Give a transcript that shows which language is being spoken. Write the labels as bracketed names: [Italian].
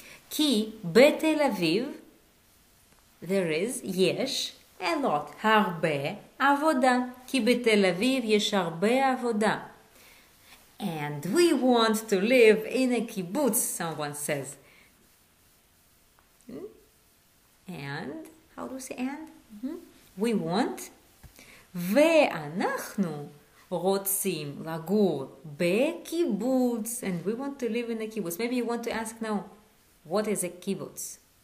[Hebrew] כי בתל אביב, [English] there is, [Hebrew] יש, [English] a lot, [Hebrew] הרבה עבודה. כי בתל אביב יש הרבה עבודה. [English] And we want to live in a kibbutz, someone says. And, how do we say and? We want. [Hebrew] ואנחנו רוצים לגור בקיבוץ. [English] And we want to live in a kibbutz. Maybe you want to ask now, what is a kibbutz?